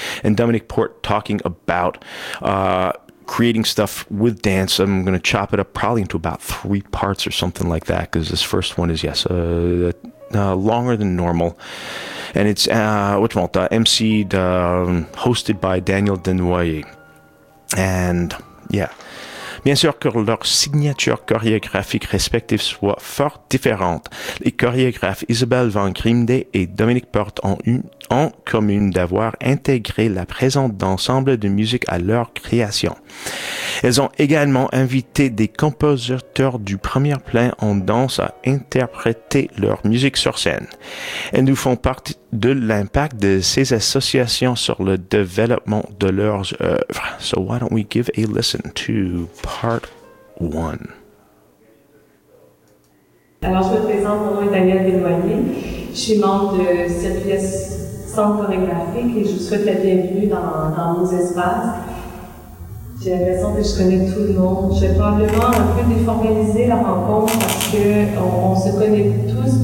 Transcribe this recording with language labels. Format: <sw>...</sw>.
<en>And Dominic Port talking about creating stuff with dance. I'm going to chop it up probably into about 3 parts or something like that, because this first one is, longer than normal. And it's MC'd, hosted by Daniel Denoyer. And, yeah.</en> <fr>Bien sûr que leurs signatures chorégraphiques respectives soient fort différentes, les chorégraphes Isabel van Grimde et Dominic Port ont une en commun d'avoir intégré la présence d'ensembles de musique à leur création. Elles ont également invité des compositeurs du premier plan en danse à interpréter leur musique sur scène. Elles nous font partie de l'impact de ces associations sur le développement de leurs œuvres.</fr> <en>So why don't we give a listen to part 1.</en> <fr>Alors, je me présente, mon nom est Daniel Desnoyers. Je suis membre de Sequiest Centre chorégraphique et je vous souhaite la bienvenue dans nos espaces. J'ai l'impression que je connais tout le monde. Je vais probablement un peu déformaliser la rencontre parce qu'on se connaît tous.</fr>